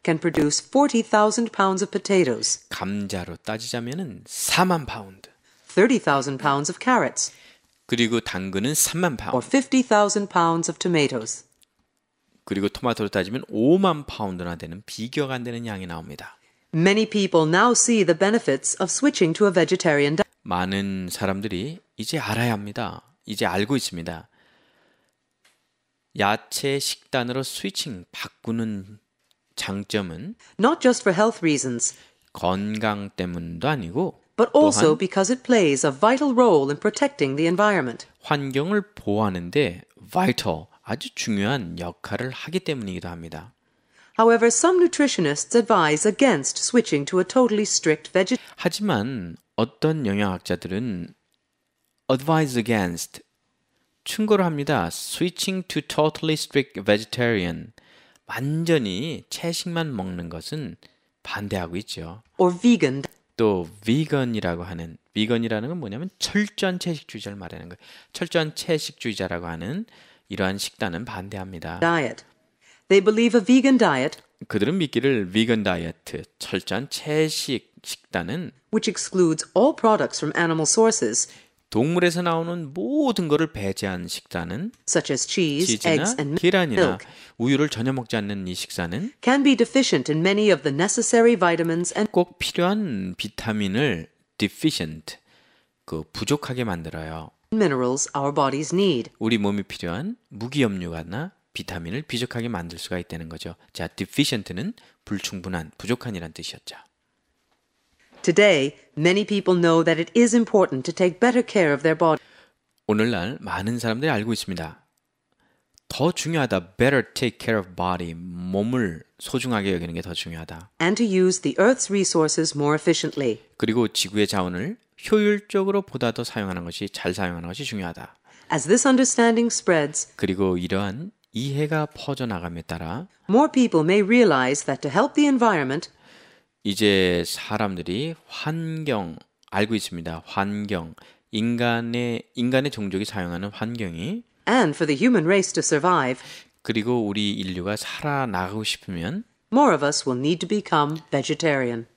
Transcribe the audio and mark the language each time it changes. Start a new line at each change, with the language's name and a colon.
English: can produce 40,000 pounds of potatoes.
Korean: 감자로 따지자면은 4만 파운드.
English: 30,000 pounds of carrots.
Korean: 그리고 당근은 3만 파운드.
English: or 50,000 pounds of tomatoes.
Korean: 그리고 토마토로 따지면 5만 파운드나 되는 비교가 안 되는 양이 나옵니다.
English: Many people now see the benefits of switching to a vegetarian diet.
Korean: 많은 사람들이 이제 알아야 합니다. 이제 알고 있습니다. 야채 식단으로 스위칭 바꾸는 장점은
English: not just for health reasons
Korean: 건강 때문도 아니고
English: but also because it plays a vital role in protecting the environment
Korean: 환경을 보호하는데 vital 아주 중요한 역할을 하기 때문이기도 합니다.
English: However, some nutritionists advise against switching to a totally strict vegetarian
Korean: 하지만 어떤 영양학자들은
English: advise against
Korean: 충고를 합니다.
English: Switching to totally strict vegetarian.
Korean: 완전히 채식만 먹는 것은 반대하고 있죠.
English: Or vegan.
Korean: 또 vegan이라고 하는, vegan이라는 건 뭐냐면 철저한 채식주의자를 말하는 거예요. 철저한 채식주의자라고 하는 이러한 식단은 반대합니다.
English: Diet. They believe a vegan diet.
Korean: 그들은 믿기를
English: vegan diet,
Korean: 철저한 채식 식단은
English: which excludes all products from animal sources.
Korean: 동물에서 나오는 모든 것을 배제한 식단은
English: such as cheese,
Korean: 치즈나
English: eggs and
Korean: 계란이나
English: milk,
Korean: 우유를 전혀 먹지 않는 이 식사는
English: can be deficient in many of the necessary vitamins and
Korean: 꼭 필요한 비타민을 deficient 그 부족하게 만들어요.
English: minerals our bodies need
Korean: 우리 몸이 필요한 무기염료가나 비타민을 부족하게 만들 수가 있다는 거죠. 자, deficient는 불충분한, 부족한이란 뜻이었죠.
English: Today, many people know that it is important to take better care of their body.
Korean: 오늘날 많은 사람들이 알고 있습니다. 더 중요하다,
English: better take care of body,
Korean: 몸을 소중하게 여기는 게 더 중요하다.
English: And to use the earth's resources more efficiently.
Korean: 그리고 지구의 자원을 효율적으로 보다 더 사용하는 것이, 잘 사용하는 것이 중요하다.
English: As this understanding spreads,
Korean: 그리고 이러한 이해가 퍼져나감에 따라
English: more people may realize that to help the environment
Korean: 이제 사람들이 환경 알고 있습니다. 환경 인간의 종족이 사용하는 환경이
English: and for the human race to survive
Korean: 그리고 우리 인류가 살아나가고 싶으면
English: more of us will need to become vegetarian